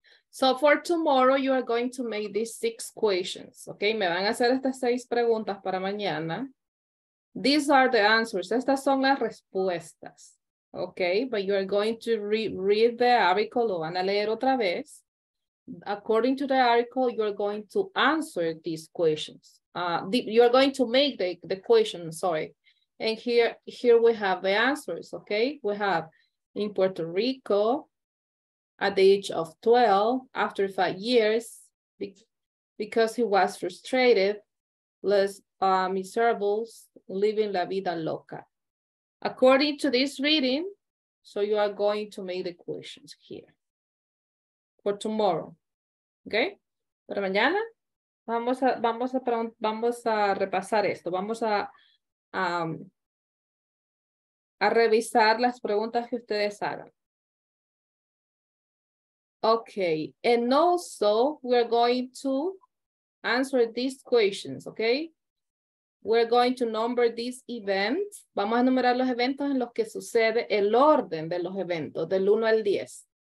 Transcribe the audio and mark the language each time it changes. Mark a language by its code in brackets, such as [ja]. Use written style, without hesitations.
[en] So for tomorrow, you are going to make these 6 questions, okay? [es] Me van a hacer estas 6 preguntas para mañana. [en] These are the answers. [es] Estas son las respuestas, [en] okay? But you are going to read the article, [es] lo van a leer otra vez. [en] According to the article, you are going to answer these questions. You are going to make the question, sorry. And here we have the answers, okay? We have in Puerto Rico, at the age of 12, after 5 years, because he was frustrated, less miserable, living la vida loca. According to this reading, so you are going to make the questions here for tomorrow, okay? [es] Para mañana, vamos a repasar esto. Vamos a revisar las preguntas que ustedes hagan. [en] Okay, and also we're going to answer these questions, okay? We're going to number these events. [es] Vamos a numerar los eventos en los que sucede el orden de los eventos, del 1 al 10.